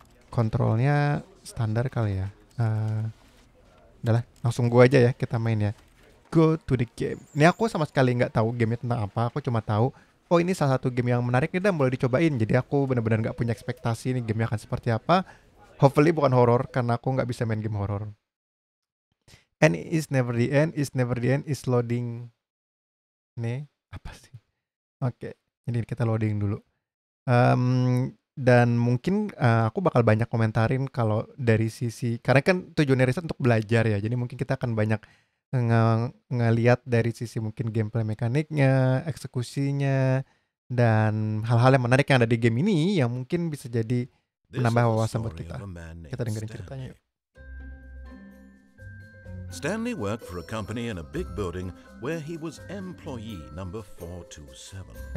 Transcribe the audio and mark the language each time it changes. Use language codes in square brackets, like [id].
[id] Kontrolnya standar kali ya. Udahlah, langsung gua aja ya, kita main ya. [en] Go to the game. [id] Ini aku sama sekali nggak tahu game-nya tentang apa. Aku cuma tahu, oh ini salah satu game yang menarik nih dan boleh dicobain. Jadi aku benar-benar nggak punya ekspektasi ini game-nya akan seperti apa. Hopefully bukan horror, karena aku nggak bisa main game horror. [en] And it's never the end, it's never the end, it's loading. [id] Nih, apa sih? Oke, okay. Ini kita loading dulu. Dan mungkin aku bakal banyak komentarin kalau dari sisi, karena kan tujuannya riset untuk belajar ya, jadi mungkin kita akan banyak ngelihat dari sisi mungkin gameplay mekaniknya, eksekusinya, dan hal-hal yang menarik yang ada di game ini yang mungkin bisa jadi menambah wawasan buat kita. Kita dengerin ceritanya. [en] Stanley worked for a company in a big building where he was employee number 427.